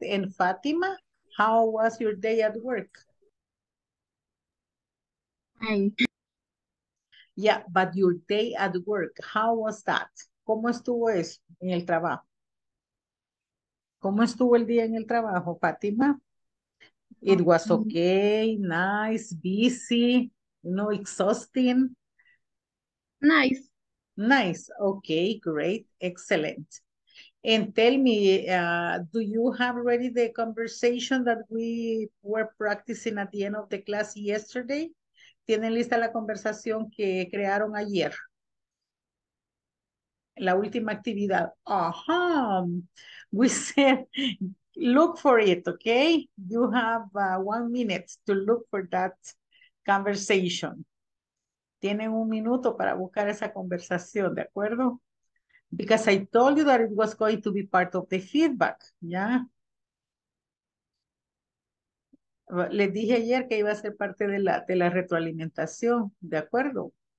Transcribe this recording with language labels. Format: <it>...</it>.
<en>And Fatima, how was your day at work? Fine. Yeah, but your day at work, how was that?</en> <es>¿Cómo estuvo eso en el trabajo? ¿Cómo estuvo el día en el trabajo, Fátima?</es> <en>It was okay, nice, busy, no exhausting. Nice. Nice, okay, great, excellent. And tell me, do you have ready the conversation that we were practicing at the end of the class yesterday?</en> <es>¿Tienen lista la conversación que crearon ayer? La última actividad. Ajá.</es> <en>We said, look for it, okay? You have 1 minute to look for that conversation.</en> <es>Tienen 1 minuto para buscar esa conversación, ¿de acuerdo?</es> <en>Because I told you that it was going to be part of the feedback, ¿ya?</en> <es>Les dije ayer que iba a ser parte de la retroalimentación, ¿de acuerdo?</es>